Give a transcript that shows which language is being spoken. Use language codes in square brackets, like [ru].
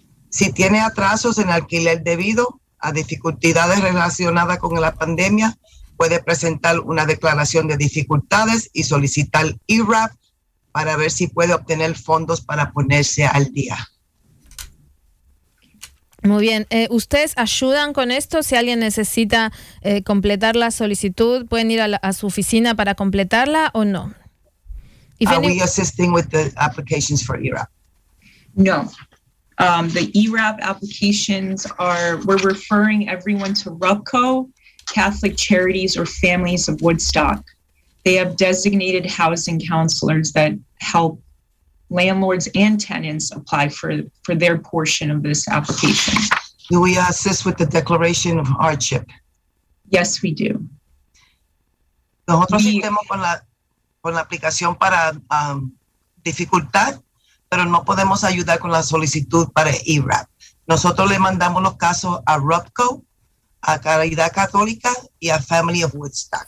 [es] Si tiene atrasos en alquiler debido a dificultades relacionadas con la pandemia, puede presentar una declaración de dificultades y solicitar ERAP para ver si puede obtener fondos para ponerse al día. Muy bien. ¿Ustedes ayudan con esto? Si alguien necesita completar la solicitud, ¿pueden ir a su oficina para completarla o no? [en] Are we assisting with the applications for ERAP? No. The ERAP applications are, we're referring everyone to RUPCO, Catholic Charities or Families of Woodstock. They have designated housing counselors that help landlords and tenants apply for their portion of this application. Do we assist with the declaration of hardship? Yes, we do. [es] Nosotros asistimos con la aplicación para dificultad, pero no podemos ayudar con la solicitud para ERAP. Nosotros le mandamos los casos a RUPCO, a Caridad Católica y a Family of Woodstock.